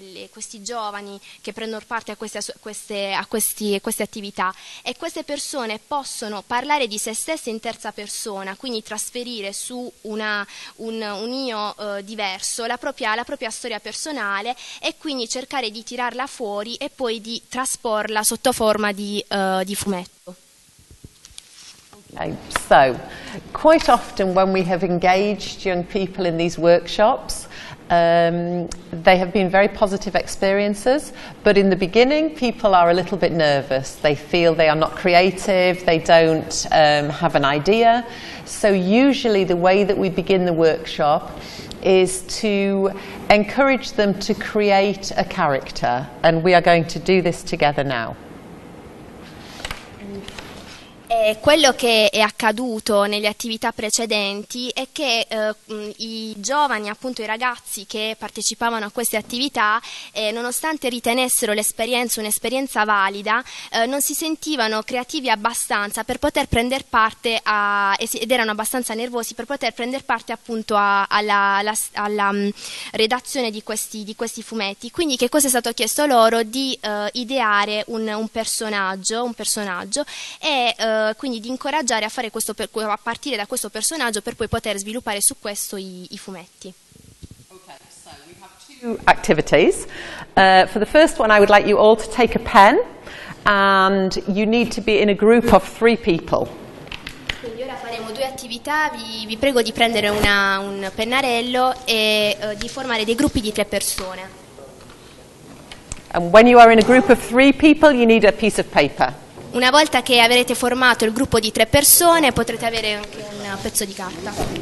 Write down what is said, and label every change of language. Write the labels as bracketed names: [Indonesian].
[Italian] questi giovani che prendono parte a queste attività, e queste persone possono parlare di se stesse in terza persona, quindi trasferire su un io diverso la propria storia personale e quindi cercare di tirarla fuori e poi di trasporla sotto forma di fumetto. [English] Okay, so quite often when we have engaged young people in these workshops, they have been very positive experiences, but in the beginning people are a little bit nervous. They feel they are not creative, they don't have an idea. So usually the way that we begin the workshop is to encourage them to create a character, and we are going to do this together now. [Italian] Quello che è accaduto nelle attività precedenti è che i giovani, appunto i ragazzi che partecipavano a queste attività, nonostante ritenessero l'esperienza un'esperienza valida, non si sentivano creativi abbastanza per poter prendere parte ed erano abbastanza nervosi per poter prendere parte appunto alla redazione di questi fumetti. Quindi che cosa è stato chiesto loro? Di ideare un personaggio e quindi di incoraggiare a partire da questo personaggio per poi poter sviluppare su questo i fumetti. [English] Okay, so we have two activities. For the first one I would like you all to take a pen, and you need to be in a group of three people. [Italian] Quindi ora faremo due attività, vi prego di prendere un pennarello e di formare dei gruppi di tre persone. [English] And when you are in a group of three people you need a piece of paper. [Italian] Una volta che avrete formato il gruppo di tre persone, potrete avere anche un pezzo di carta.